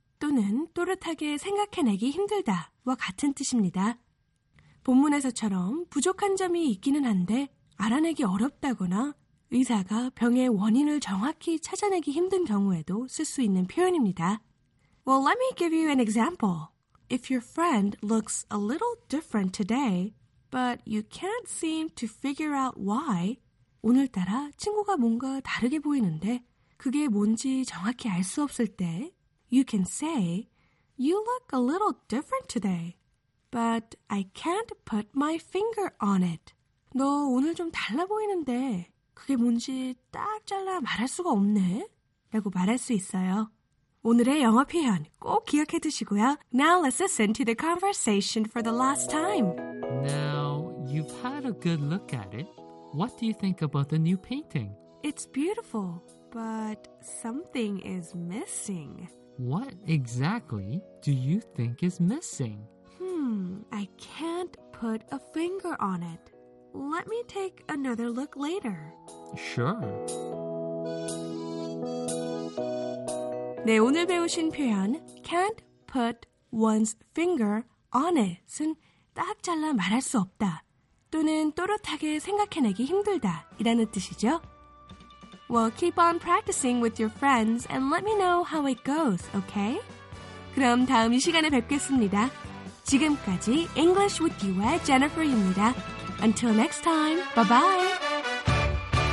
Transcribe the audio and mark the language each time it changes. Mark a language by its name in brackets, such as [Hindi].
[Korean] 또는 또렷하게 생각해내기 힘들다와 같은 뜻입니다. 본문에서처럼 부족한 점이 있기는 한데 알아내기 어렵다거나 의사가 병의 원인을 정확히 찾아내기 힘든 경우에도 쓸 수 있는 표현입니다. [English] Well, let me give you an example. If your friend looks a little different today, but you can't seem to figure out why, [Korean] 오늘따라 친구가 뭔가 다르게 보이는데 그게 뭔지 정확히 알 수 없을 때, [English] you can say, you look a little different today, but I can't put my finger on it. [Korean] 너 오늘 좀 달라 보이는데 그게 뭔지 딱 잘라 말할 수가 없네, 라고 말할 수 있어요. 오늘의 영어 표현 꼭 기억해 두시고요. [English] Now let's listen to the conversation for the last time. Now, you've had a good look at it. What do you think about the new painting? It's beautiful, but something is missing. What exactly do you think is missing? I can't put a finger on it. Let me take another look later. Sure. [Korean] 네, 오늘 배우신 표현 [English] can't put one's finger on it은 [Korean] 딱 잘라 말할 수 없다 또는 또렷하게 생각해내기 힘들다 이라는 뜻이죠. [English] Well, keep on practicing with your friends and let me know how it goes, okay? [Korean] 그럼 다음 이 시간에 뵙겠습니다. 지금까지 English with You의 Jennifer입니다. [English] Until next time, bye-bye!